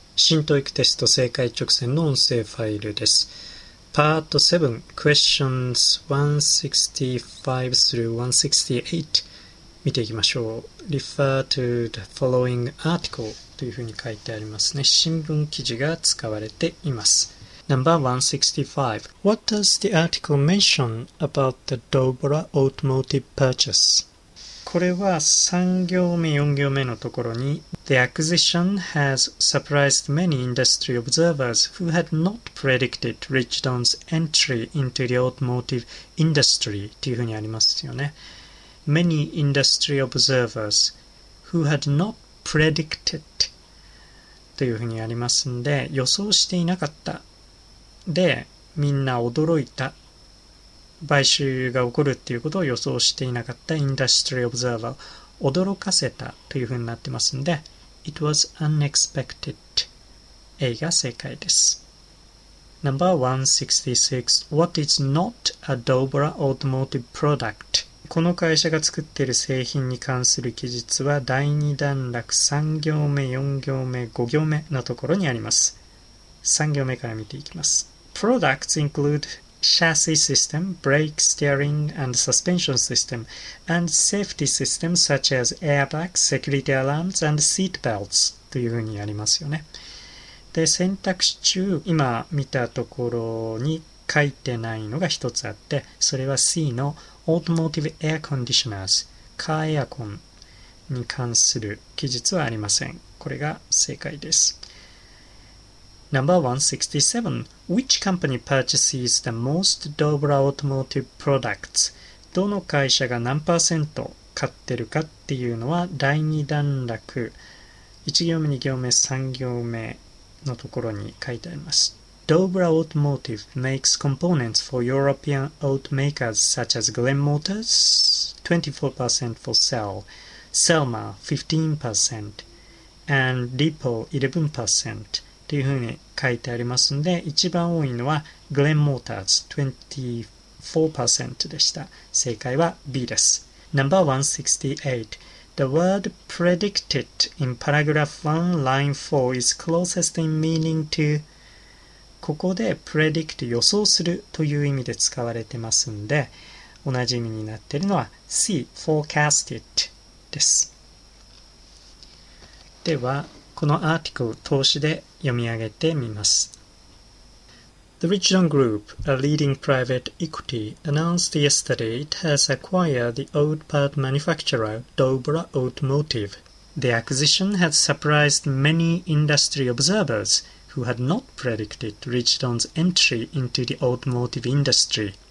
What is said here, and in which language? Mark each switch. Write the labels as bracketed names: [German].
[Japanese] 新トイックテスト正解直線の音声ファイルです。パート7、 [English] Questions 165 through 168 [Japanese] 見ていきましょう。 [English] Refer to the following article [Japanese] というふうに書いてありますね。新聞記事が使われています。 [English] Number 165. What does the article mention about the Dobra Automotive purchase? [Japanese] これは3行目、4行目のところに [English] The acquisition has surprised many industry observers who had not predicted Richardson's entry into the automotive industry [Japanese] というふうにありますよね。 [English] Many industry observers who had not predicted [Japanese] というふうにありますんで、予想していなかった。で、みんな驚いた。買収が起こるっていうことを予想していなかったインダストリーオブザーバー、驚かせたというふうになってますんで、 [English] It was unexpected. [Japanese] A が正解です。 [English] Number 166. What is not a Dobra Automotive product? [Japanese] この会社が作っている製品に関する記述は第2段落3行目、4行目、5行目のところにあります。 3行目から見ていきます。 [English] Products include chassis system, brake, steering and suspension system and safety systems such as airbags, security alarms and seat belts [Japanese] というふうにありますよね。で、選択肢中今見たところに書いてないのが一つあって、それは C の [English] Automotive Air Conditioners、 [Japanese] カーエアコンに関する記述はありません。これが正解です。 [English] Number 167. Which company purchases the most Dobra Automotive products? [Japanese] どの会社が何パーセント買ってるかっていうのは第2段落1行目、2行目、3行目のところに書いてあります。 [English] Dobra Automotive makes components for European automakers such as Glen Motors 24% for Cell, Selma 15% and Lippo 11% [Japanese] というふうに書いてありますので、一番多いのはグレンモーターズ 24% でした。正解は B です。 [English] Number 168. The word predicted in paragraph 1 line 4 is closest in meaning to、 [Japanese] ここで predict 予想するという意味で使われてますので、同じ意味になっているのは C forecasted です。ではこのアーティクルを通しで読み上げてみます。 [English] The Richardson Group, a leading private equity, announced yesterday it has acquired the old part manufacturer Dobra Automotive. The acquisition has surprised many industry observers who had not predicted Richardson's entry into the automotive industry.